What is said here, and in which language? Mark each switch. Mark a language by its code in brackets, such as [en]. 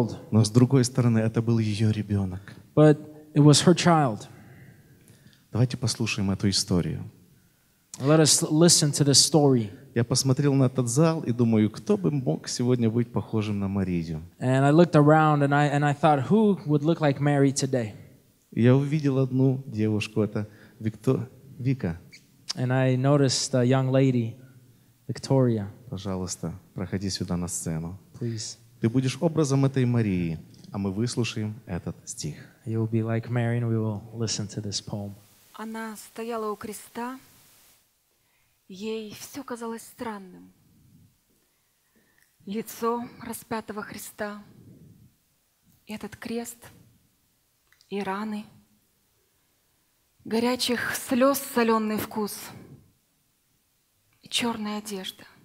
[ru] Но с другой стороны, это был ее ребенок. [en] But it was her child. [ru] Давайте послушаем эту историю. [en] Let us listen to this story. [ru] Я посмотрел на этот зал и думаю, кто бы мог сегодня быть похожим на Марию. [en] And I looked around and I thought, who would look like Mary today? [ru] Я увидел одну девушку, это Вика. [en] And I noticed a young lady, Victoria. [ru] Пожалуйста, проходи сюда на сцену. [en] Please. [ru] Ты будешь образом этой Марии, а мы выслушаем этот стих. [en] You will be like Mary and we will listen to this poem. [ru] Она стояла у креста. Ей все казалось странным. Лицо распятого Христа, этот крест и раны, горячих слез соленый вкус и черная одежда.